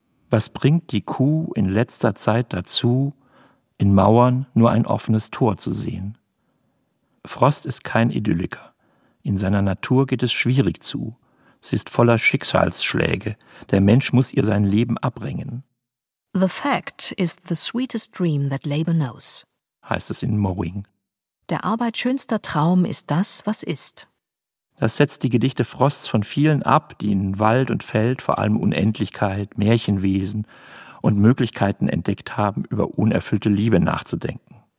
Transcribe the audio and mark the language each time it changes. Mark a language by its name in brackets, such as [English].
[German] Was bringt die Kuh in letzter Zeit dazu, in Mauern nur ein offenes Tor zu sehen? Frost ist kein Idylliker. In seiner Natur geht es schwierig zu. Sie ist voller Schicksalsschläge. Der Mensch muss ihr sein Leben abringen. [English] The fact is the sweetest dream that labor knows, [German] heißt es in Mowing. Der Arbeit schönster Traum ist das, was ist. Das setzt die Gedichte Frosts von vielen ab, die in Wald und Feld vor allem Unendlichkeit, Märchenwesen und Möglichkeiten entdeckt haben, über unerfüllte Liebe nachzudenken.